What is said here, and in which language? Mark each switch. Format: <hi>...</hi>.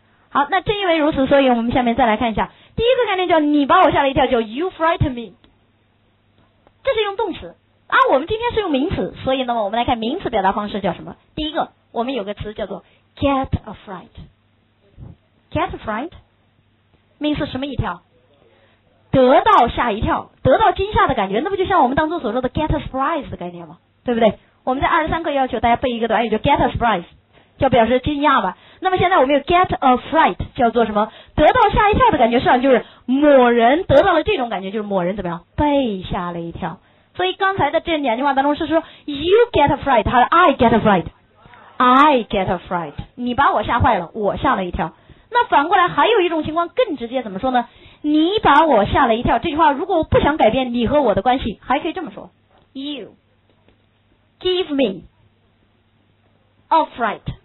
<zh>好，那正因为如此，所以我们下面再来看一下第一个概念，叫你把我吓了一跳，叫</zh> <en>you frighten me，</en> <zh>这是用动词。而我们今天是用名词，所以呢我们来看名词表达方式叫什么。第一个我们有个词叫做</zh> <en>get a fright。 get a fright means</en> <zh>什么一跳？得到吓一跳，得到惊吓的感觉，那不就像我们当中所说的 get a surprise 的概念吗？对不对？我们在23课要求大家背一个短语，就</zh> <en>get a surprise，</en> <zh>叫表示惊讶吧。那么现在我们有</zh> <en>get a fright，</en> <zh>叫做什么？得到吓一跳的感觉，实际上就是某人得到了这种感觉，就是某人怎么样被吓了一跳。所以刚才的这两句话当中是说</zh> <en>you get a fright</en> <zh>还是</zh> <en>I get a fright？ I get a fright，</en> <zh>你把我吓坏了，我吓了一跳。那反过来还有一种情况更直接，怎么说呢？你把我吓了一跳，这句话如果我不想改变你和我的关系，还可以这么说</zh> <en>you give me a fright。</en>